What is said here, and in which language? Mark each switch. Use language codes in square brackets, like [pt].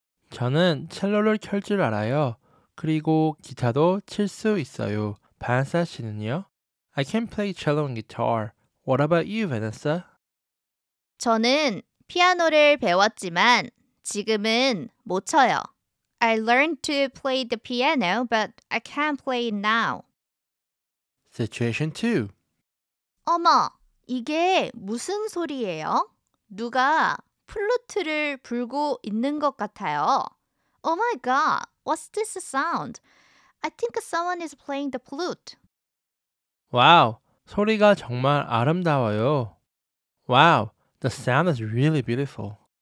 [ko] 저는 첼로를 켤 줄 알아요. 그리고 기타도 칠 수 있어요. 바나사 씨는요? [en] I can play cello and guitar. What about you, Vanessa? [ko] 저는 피아노를 배웠지만 지금은 못 쳐요. [en] I learned to play the piano, but I can't play it now. Situation 2. [ko] 어머, 이게 무슨 소리예요? 누가 플루트를 불고 있는 것 같아요. [en] Oh my god, what's this sound? I think someone is playing the flute. Wow, [ko] 소리가 정말 아름다워요. [en] Wow, the sound is really beautiful.